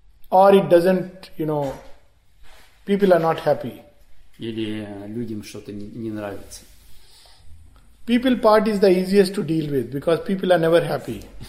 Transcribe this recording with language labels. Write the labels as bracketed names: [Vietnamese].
[English] Or it doesn't, you know, people are not happy. [Russian] Или людям что-то не нравится. [English] People part is the easiest to deal with because people are never happy.